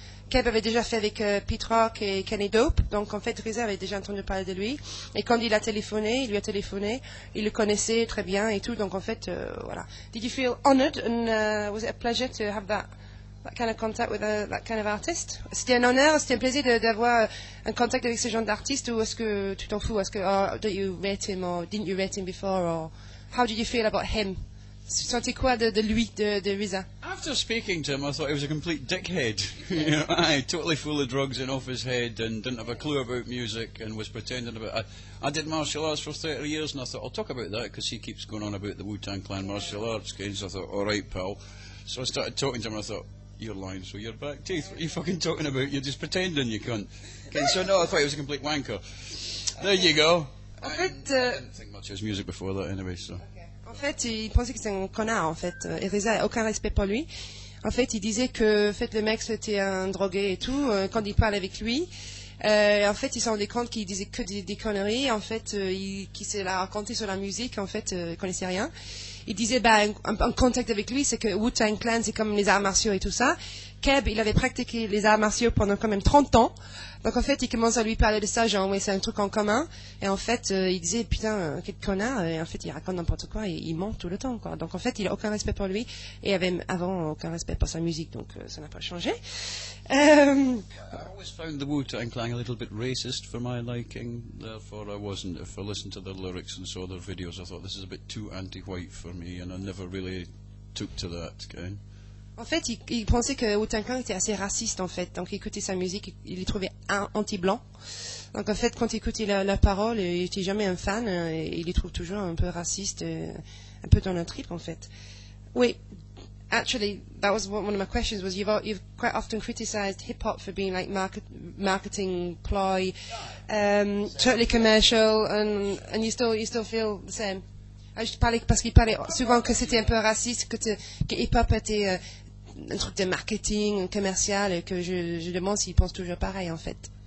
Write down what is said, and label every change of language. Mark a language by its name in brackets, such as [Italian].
[French] Keb avait déjà fait avec Pete Rock et Kenny Dope, donc en fait RZA avait déjà entendu parler de lui. Et quand il lui a téléphoné, il le connaissait très bien et tout. Donc en fait, voilà. [English] Did you feel honored and was it a pleasure to have that kind of contact with that kind of artist? [French] C'était un honneur, c'était un plaisir d'avoir un contact avec ce genre d'artiste. Ou est-ce que tu t'en fous? Est-ce que [English] did you rate him or didn't you rate him before? Or how did you feel about him? [French] Tu sentais quoi de lui, de RZA? [English] After speaking to him, I thought he was a complete dickhead. You know, aye, totally full of drugs and off his head and didn't have a clue about music and was pretending about it. I did martial arts for 30 years and I thought, I'll talk about that because he keeps going on about the Wu-Tang Clan martial arts games. I thought, all right, pal. So I started talking to him and I thought, you're lying through your back teeth. What are you fucking talking about? You're just pretending, you cunt. Okay, so no, I thought he was a complete wanker. There you go. I didn't think much of his music before that anyway, so... [French] En fait, il pensait que c'était un connard, en fait. Et RZA n'a aucun respect pour lui. En fait, il disait que en fait, le mec, c'était un drogué et tout. Quand il parle avec lui, en fait, il s'en rendait compte qu'il disait que des conneries. En fait, qu'il s'est raconté sur la musique, en fait, il ne connaissait rien. Il disait, bah, un contact avec lui, c'est que Wu-Tang Clan, c'est comme les arts martiaux et tout ça. Keb, il avait pratiqué les arts martiaux pendant quand même 30 ans. Donc, en fait, il commence à lui parler de ça, genre, oui, c'est un truc en commun. Et en fait, il disait, putain, quel connard. Et en fait, il raconte n'importe quoi et il ment tout le temps, quoi. Donc, en fait, il n'a aucun respect pour lui et avait avant aucun respect pour sa musique. Donc, ça n'a pas changé. [English] I always found the Wu-Tang Clan a little bit racist for my liking. Therefore, I wasn't. If I listened to their lyrics and saw their videos, I thought, this is a bit too anti-white for me. And I never really took to that, okay? [French] En fait, il pensait que Wu-Tang Clan était assez raciste, en fait. Donc, il écoutait sa musique, il les trouvait anti-blanc. Donc, en fait, quand il écoutait la parole, il n'était jamais un fan. Et il les trouve toujours un peu racistes, un peu dans la trip, en fait. [English] Oui, actually, that was one of my questions, was you've quite often criticized hip-hop for being like marketing ploy, totally commercial, and you still feel the same. [French] Je parlais parce qu'il parlait souvent que c'était un peu raciste, que hip-hop était un truc de marketing, commercial, et que je demande s'il pense toujours pareil, en fait.